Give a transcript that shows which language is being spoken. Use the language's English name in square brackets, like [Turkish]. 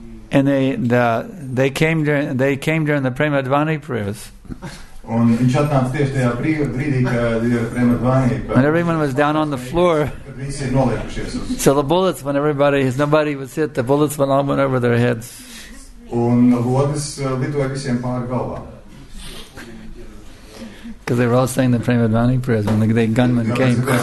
[English] And they came during the Premadvani prayers. [Latvian] Un viņš atnāca tieši tajā brīdī, kad ir Premadvani. [English] And everyone was down on the floor. So the bullets went everybody, his nobody was hit, the bullets went all went over their heads. [Latvian] Un lodis lidoja visiem pāri galvām. [English] Because they were all saying the Premadvani prayers when the gunman came.